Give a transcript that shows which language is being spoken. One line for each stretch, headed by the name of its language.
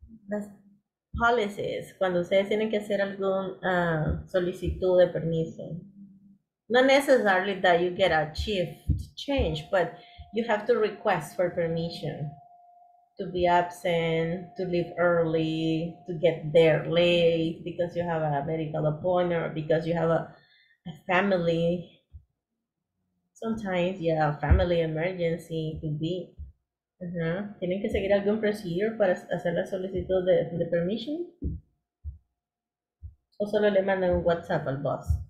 Spanish: Las policies, cuando ustedes tienen que hacer algún solicitud de permiso.
English: Not necessarily that you get a shift change, but you have to request for permission to be absent, to leave early, to get there late because you have a medical appointment or because you have a family. Sometimes, yeah, family emergency could be.
Spanish: ¿Tienen que seguir algún procedure para hacer la solicitud de permission? ¿O solo le mandan un WhatsApp al boss?